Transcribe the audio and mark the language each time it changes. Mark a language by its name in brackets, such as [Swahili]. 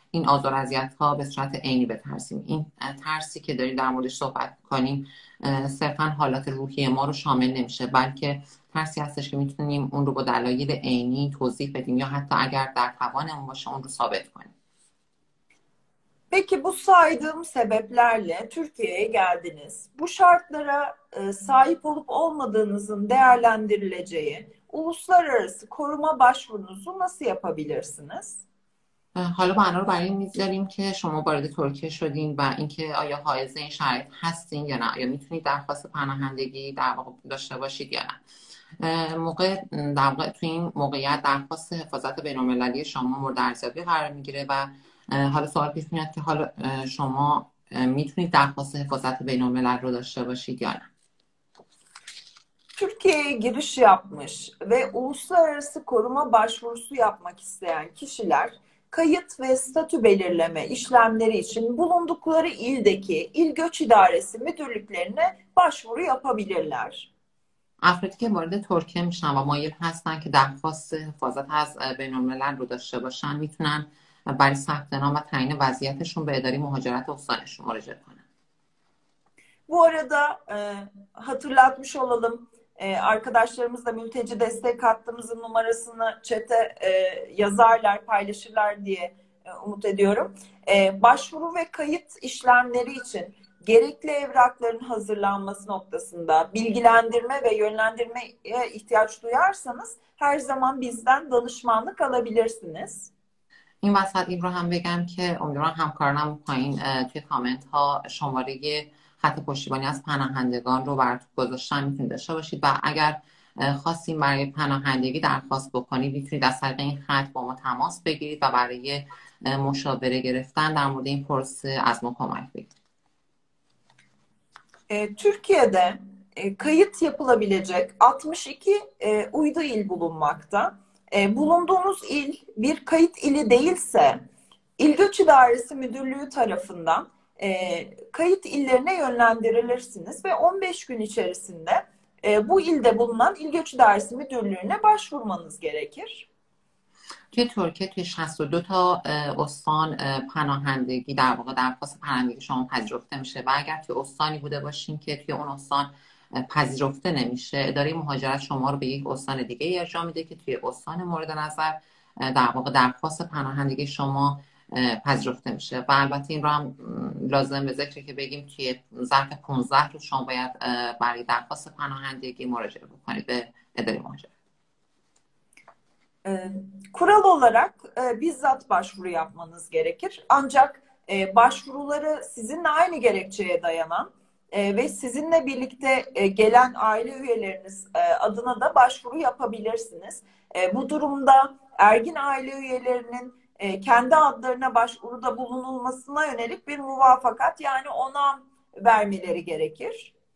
[Persian] این آزار اذیت ها به صورت عینی بترسیم. این ترسی که داریم در موردش صحبت کنیم صرفا حالات روحی ما رو شامل نمیشه، بلکه ترسی هستش که میتونیم اون رو با دلایل عینی توضیح بدیم یا حتی اگر در توانمون باشه اون رو ثابت کنیم. [Turkish] Peki bu saydığım sebeplerle Türkiye'ye geldiniz. Bu şartlara sahip olup olmadığınızın değerlendirileceği uluslararası koruma başvurunuzu nasıl yapabilirsiniz? [Persian] حالا بنا رو برای این می‌ذاریم که شما وارد ترکیه شدین و اینکه آیا حائز این شرایط هستین یا نه، یا می‌تونید درخواست پناهندگی در واقع داشته باشید یا نه. موقع در واقع تو این موقعیت درخواست حفاظت بین‌المللی شما مورد ارزیابی قرار می‌گیره و حالا سوال پیش میاد که حالا شما می‌تونید درخواست حفاظت بین‌الملل رو داشته باشید یا نه. [Turkish] Türkiye'ye giriş yapmış ve uluslararası koruma başvurusu yapmak isteyen kişiler kayıt ve statü belirleme işlemleri için bulundukları ildeki İl Göç İdaresi müdürlüklerine başvuru yapabilirler. [Persian] افرادی که وارد ترکیه میشن و مایل هستن که درخواست حفاظت از بین‌الملل رو داشته باشن میتونن برای ثبت نام و تعیین وضعیتشون به اداره مهاجرت استانشون مراجعه کنن. [Turkish] Bu arada hatırlatmış olalım. Arkadaşlarımızla mülteci destek hattımızın numarasını chat'e yazarlar, paylaşırlar diye umut ediyorum. Başvuru ve kayıt işlemleri için gerekli evrakların hazırlanması noktasında bilgilendirme ve yönlendirmeye ihtiyaç duyarsanız her zaman bizden danışmanlık alabilirsiniz. [Persian] این وسط این رو هم بگم که امیدوارم همکارانم پایین توی کامنت ها شماره خط پشتیبانی از پناهندگان رو براتون گذاشتن، میتونید داشته باشید و اگر خواستیم برای پناهندگی درخواست بکنید میتونید از طریق این خط با ما تماس بگیرید و برای مشاوره گرفتن در مورد این پروسه از ما کمک بگیرید. [Turkish] Türkiye'de kayıt yapılabilecek 62 uydu il bulunmakta. Bulunduğunuz il bir kayıt ili değilse İl Göç İdaresi Müdürlüğü tarafından kayıt illerine yönlendirilirsiniz ve 15 gün içerisinde bu ilde bulunan İl Göç İdaresi Müdürlüğü'ne başvurmanız gerekir. [Persian] توی ترکیه توی 62 تا استان پناهندگی در واقع درخواست پناهندگی شما پذیرفته میشه و اگر توی استانی بوده باشین که توی اون استان پذیرفته نمیشه، اداره مهاجرت شما رو به یک استان دیگه ارجاع میده که توی استان مورد نظر در واقع درخواست پناهندگی شما پذیرفته میشه. و البته این رو هم لازم به ذکر که بگیم توی ظرف 15 روز شما باید برای درخواست پناهندگی مراجعه بکنید به اداره مهاجرت. [Turkish] Kural olarak bizzat başvuru yapmanız gerekir. Ancak başvuruları sizinle aynı gerekçeye dayanan ve sizinle birlikte gelen aile üyeleriniz adına da başvuru yapabilirsiniz. Bu durumda ergin aile üyelerinin kendi adlarına başvuruda bulunulmasına yönelik bir muvafakat, yani onam vermeleri gerekir.